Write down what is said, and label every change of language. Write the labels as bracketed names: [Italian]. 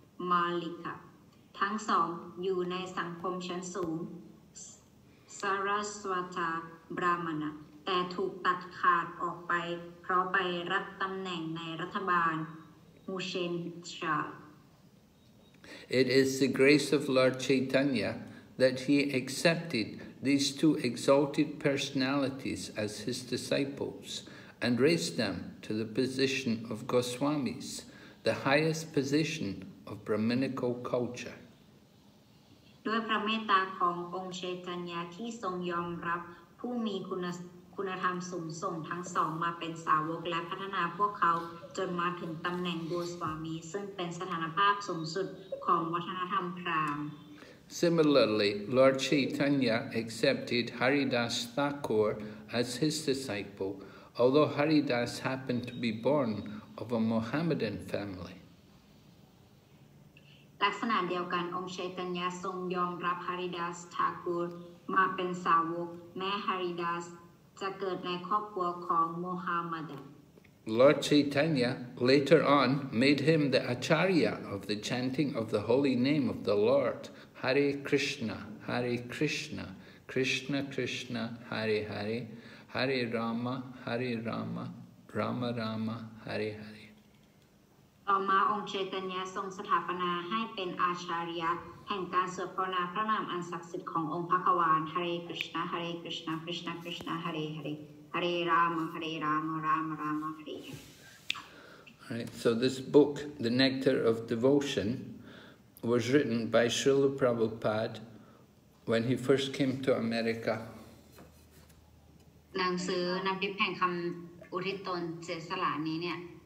[Thai] มาลิกาทั้งสองอยู่ในสังคมชั้นสูงสารสวัตบรามณะแต่ถูกตัดขาดออกไปเพราะไปรับตำแหน่งในรัฐบาลมูเชนชา [English] It is the grace of Lord Chaitanya that he accepted these two exalted personalities as his disciples and raised them to the position of Goswamis, the highest position of Brahminical culture. [Thai] ด้วยพระเมตตาขององค์เชตัญญาที่ทรงยอมรับผู้มีคุณธรรมสูงส่งทั้งสองมาเป็นสาวกและพัฒนาพวกเขาจนมาถึงตำแหน่งโกสวามีซึ่งเป็นสถานภาพสูงสุดของวัฒนธรรมพราหมณ์ [English] Similarly, Lord Chaitanya accepted Haridas Thakur as his disciple, although Haridas happened to be born of a Mohammedan family. [Thai] ลักษณะเดียวกันองค์เชตัญญาทรงยอมรับฮาริดาสทากูรมาเป็นสาวกแม้ฮาริดาสจะเกิดในครอบครัวของโมฮัมหมัด [English] Lord Chaitanya later on made him the acharya of the chanting of the holy name of the Lord Hare Krishna Hare Krishna Krishna Krishna Hare Hare Hare Rama Hare Rama Rama Rama Hare Hare [Thai] ต่อมาองค์เชตัญญาทรงสถาปนาให้เป็นอาชาริยะแห่งการสวดภาวนาพระนามอันศักดิ์สิทธิ์ขององค์พระกวานฮาเรคริชนาฮาเรคริชนาคริชนาคริชนาฮาเรฮาเรฮาเรรามาฮาเรรามารามารามาฮาเ [English] ร Right, so this book, The Nectar of Devotion, was written by Srila Prabhupada when he first came to America. [Thai] หนังสือนำดิบแห่งคำอุทิศตนเสียสละนี้เนี่ย